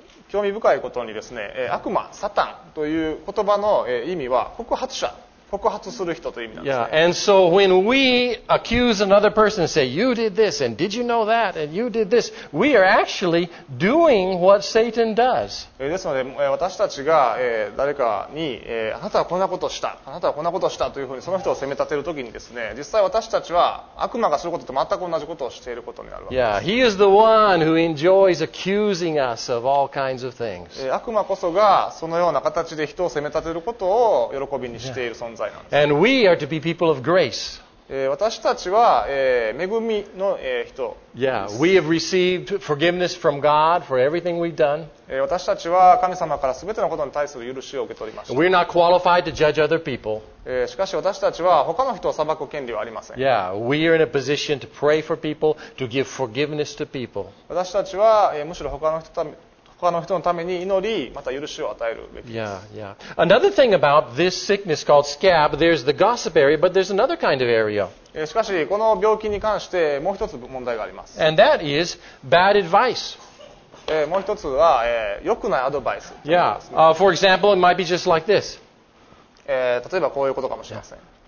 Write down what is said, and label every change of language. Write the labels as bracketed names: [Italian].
[Japanese] 興味深いことにですね、悪魔、サタンという言葉の意味は告発者、告発する人という意味なんですね。 [English] Yeah, and so when we accuse another person, say you did this and did you know that and you did this, we are actually doing what Satan does. [Japanese] ですので私たちが誰かにあなたはこんなことをした、あなたはこんなことをしたというふうにその人を責め立てるときにですね、実際私たちは悪魔がすることと全く同じことをしていることになるわけです。 [English] Yeah, he is the one who enjoys accusing us of all kinds of things. [Japanese] 悪魔こそがそのような形で人を責め立てることを喜びにしている存在。 [English] And we are to be people of grace. [Japanese] 私たちは、恵みの、人です。 [English] Yeah, we have received forgiveness from God for everything we've done. [Japanese] 私たちは神様から全てのことに対する許しを受け取りました。 [English] We're not qualified to judge other people. [Japanese] しかし私たちは他の人を裁く権利はありません。 [English] Yeah, we are in a position to pray for people, to give forgiveness to people. [Japanese] 私たちは、むしろ他の人たち他の人のために祈り、また許しを与えるべきです。 [English] Yeah, yeah. Another thing about this sickness called scab, there's the gossip area, but there's another kind of area. [Japanese] しかし、この病気に関してもう一つ問題があります。 [English] And that is bad advice. [Japanese] もう一つは、良くないアドバイス。 [English] Yeah. For example, it might be just like this. [Japanese] 例えばこういうことかもしれません。